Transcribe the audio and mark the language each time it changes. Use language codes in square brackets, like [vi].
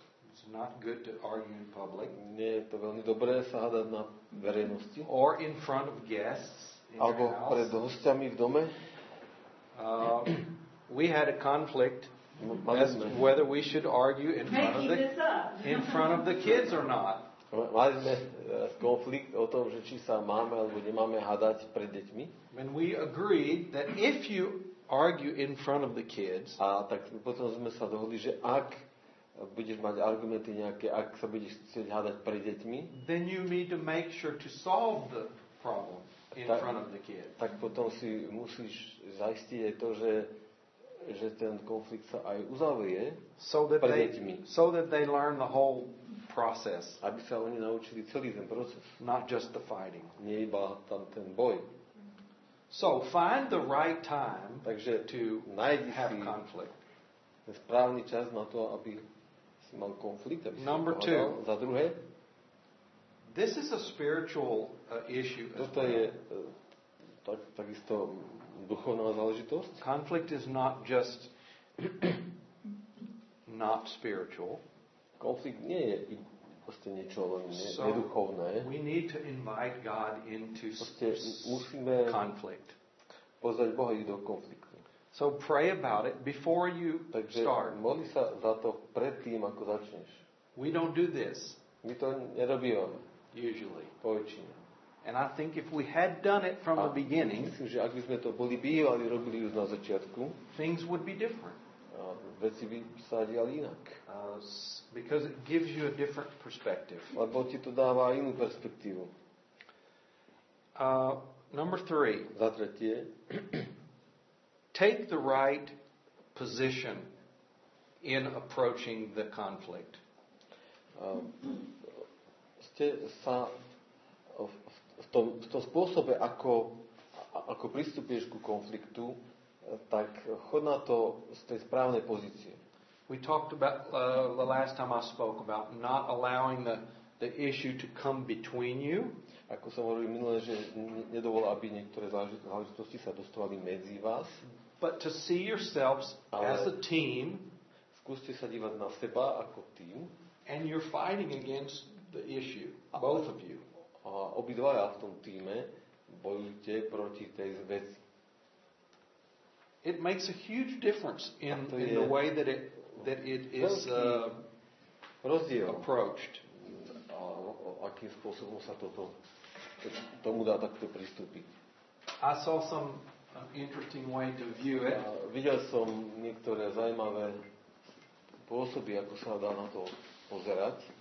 [en] it's not good to argue in public. [sk] Nie je to veľmi dobré sa hádať na verejnosti. [en] Or in front of guests. [sk] Alebo pred hostiami v dome. [en] We had a conflict as to whether we should argue in front of the kids or not. [sk] Mali sme konflikt o tom, že či sa máme alebo nemáme hádať pred deťmi. [en] And we agreed that if you argue in front of the kids. [sk] A tak potom sme sa dohodli, že ak budeš mať argumenty nejaké, ak sa budeš chcieť hádať pred deťmi, [en] then you need to make sure to solve the problem in front of the kids. [sk] Tak potom si musíš zaistiť to, že ten konflikt sa aj uzavrie pred deťmi. [en] So that they learn the whole process. [sk] Aby sa oni naučili celý ten proces. [en] Not just the fighting. [sk] Nie iba tam ten boj. [en] So find the right time to have conflict. [sk] Ten správny čas na to, aby si mal konflikt, aby [en] number [sk] si pohádal. Za druhé, [en] this is a spiritual issue. [sk] Toto je takisto duchovná záležitosť. [en] Conflict is not just not spiritual. [sk] Konflikt nie je proste niečo len neduchovné. [en] So we need to invite God into conflict. [sk] Pozvať Boha do konfliktu. [en] So pray about it before you [sk] takže [en] start. [sk] Modli sa za to pred tým, ako začneš. [en] We don't do this. [sk] My to nerobíme. [en] Usually. [sk] Poväčšine. [en] And I think if we had done it from the beginning, [sk] myslím, že ak by sme to boli bývali, robili už na začiatku, [en] things would be different. [sk] Veci by sa diali inak. [en] Because it gives you a different perspective. [sk] Lebo ti to dáva inú perspektívu. [en] Number three. [sk] Za tretie. [en] Take the right position in approaching the conflict. [sk] Ste sa v tom spôsobe, ako pristupuješ ku konfliktu, tak chod na to z tej správnej pozície. [en] We talked about the last time I spoke about not allowing the issue to come between you. [sk] Ako som hovoril minule, že nedovol, aby niektoré záležitosti sa dostávali medzi vás. [en] But to see yourselves as a team. [sk] Skúste sa dívať na seba ako tým. [en] And you're fighting against the issue, both of you. [sk] A obidvaja v tom týme bojujete proti tej veci. [en] It makes a huge difference in the way that it is approached. [sk] Akým spôsobom sa toto tomu dá takto pristúpiť. [en] I saw some interesting way to view it. [sk] Videl som niektoré zaujímavé spôsoby, ako sa dá na to pozerať.